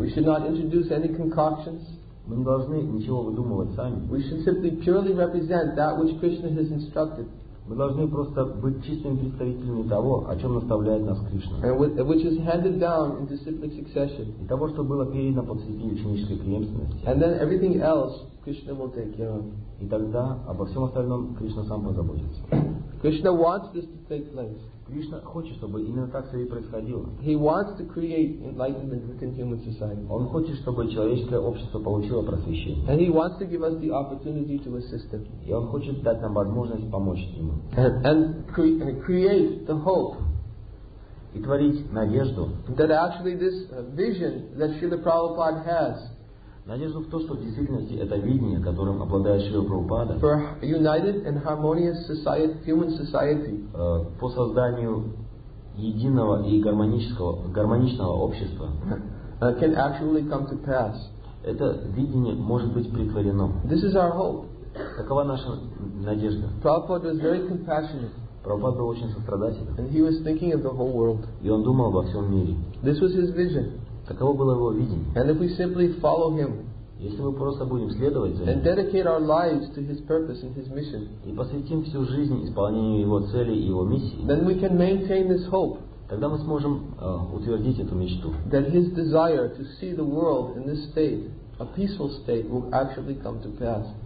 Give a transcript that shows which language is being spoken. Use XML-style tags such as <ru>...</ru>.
<en>We should not introduce any concoctions.</en> <ru>Мы не должны ничего выдумывать сами.</ru> <en>We should simply purely represent that which Krishna has instructed.</en> <ru>Мы должны просто быть чистыми представителями того, о чем наставляет нас Кришна.</ru> <en>And which is handed down in disciplic succession.</en> <ru>И того, что было передано по цепи ученической преемственности.</ru> <en>And then everything else Krishna will take care of.</en> <ru>И тогда обо всем остальном Кришна сам позаботится.</ru> <en>Krishna wants this to take place.</en> <ru>Кришна хочет, чтобы именно так все и происходило.</ru> <en>He wants to create enlightenment within human society.</en> <ru>Он хочет, чтобы человеческое общество получило просвещение.</ru> <en>And he wants to give us the opportunity to assist him.</en> <ru>И он хочет дать нам возможность помочь ему.</ru> <en>And create the hope.</en> <ru>И творить надежду.</ru> <en>That actually this vision that Srila Prabhupada has.</en> <ru>Надежду в то, что в действительности это видение, которым обладает Шрила Прабхупада.</ru> <en>For a united and harmonious society, human society.</en> <ru>По созданию единого и гармоничного общества.</ru> <en>Can actually come to pass.</en> <ru>Это видение может быть претворено.</ru> <en>This is our hope.</en> <ru>Такова наша надежда.</ru> <en>Prabhupada was very compassionate.</en> <ru>Прабхупада был очень сострадателен.</ru> <en>And he was thinking of the whole world.</en> <ru>И он думал обо всем мире.</ru> <en>This was his vision.</en> <ru>Таково было его видение.</ru> <en>And if we simply follow him,</en> <ru>если мы просто будем следовать за ним,</ru> <en>and dedicate our lives to his purpose and his mission,</en> <ru>и посвятим всю жизнь исполнению его цели и его миссии,</ru> <en>then we can maintain this hope,</en> <ru>тогда мы сможем утвердить эту мечту,</ru> <en>that his desire to see the world in this state, a peaceful state will actually come to pass.</en>